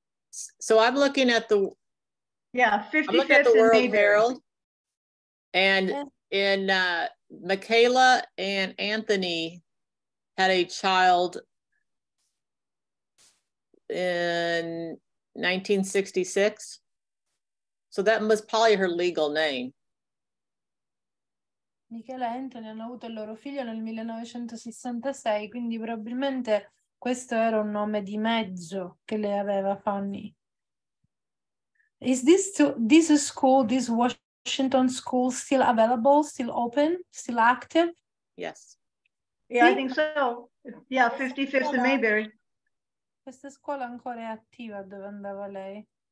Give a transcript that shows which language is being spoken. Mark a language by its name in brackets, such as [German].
[English] So I'm looking at the 55th and Mayberry. And in Michaela and Anthony had a child in 1966. So that was probably her legal name. [Italian] Michaela e Anthony hanno avuto il loro figlio nel 1966, quindi probabilmente questo era un nome di mezzo che le aveva Fanny. [English] Is this school, this Washington school, still available, still open, still active? Yes. Yeah, I think so. Yeah, 55th and Mayberry. [Italian] Questa scuola ancora è attiva dove andava lei.